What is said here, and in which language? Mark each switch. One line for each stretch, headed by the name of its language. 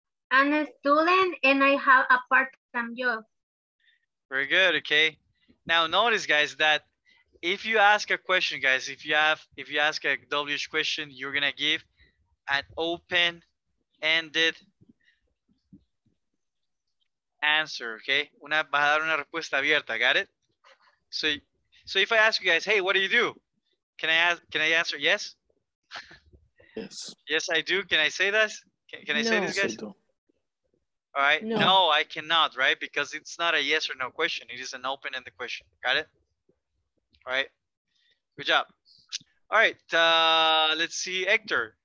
English: I'm a student and I have a part-time job. Very good, okay. Now notice, guys, that if you ask a question, guys, if you ask a WH question, you're gonna give an open-ended answer, okay?
Spanish: Una va a dar una respuesta abierta, got it?
English: So if I ask you guys, hey, what do you do? Can I answer yes? Yes. Yes, I do. Can I say this? Can I no. say this, guys? No. All right. No, I cannot, right? Because it's not a yes or no question. It is an open-ended question. Got it? All right. Good job. All right. Let's see, Hector.